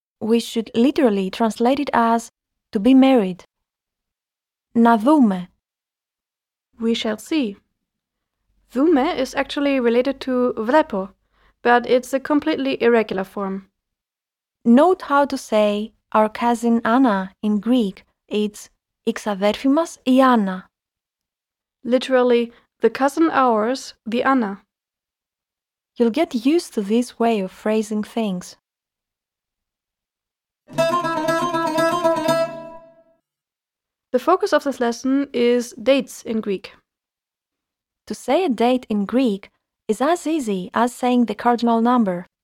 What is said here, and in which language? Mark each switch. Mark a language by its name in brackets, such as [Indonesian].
[English] We should literally translate it as to be married. [Greek] Να δούμε. [English] We shall see. Δούμε is actually related to βλέπω, but it's a completely irregular form. Note how to say our cousin Anna in Greek. It's [Greek] η ξαδέρφη μας η Άννα. [English] Literally, the cousin ours, the Anna. You'll get used to this way of phrasing things. The focus of this lesson is dates in Greek. To say a date in Greek is as easy as saying the cardinal number.